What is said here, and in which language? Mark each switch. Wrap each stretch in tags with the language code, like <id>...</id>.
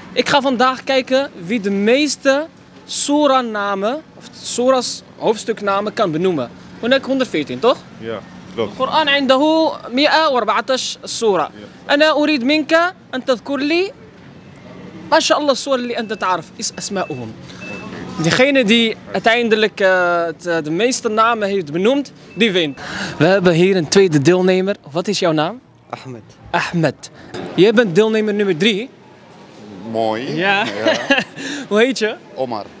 <nl>Ik ga vandaag kijken wie de meeste sura namen, of sura's hoofdstuknamen kan benoemen. 114, toch? Ja, klopt. De Koran</nl> <ar>عنده</ar> <nl>114 sura.</nl> <ar>أنا أريد منك أن تذكر لي ما شاء الله السور اللي أنت تعرف إيش أسماءهم.</ar> <nl>Degene die uiteindelijk de meeste namen heeft benoemd, die wint. We hebben hier een tweede deelnemer. Wat is jouw naam? Ahmed. Ahmed. Jij bent deelnemer nummer 3. Mooi. Ja. Hoe heet je? Omar.</nl>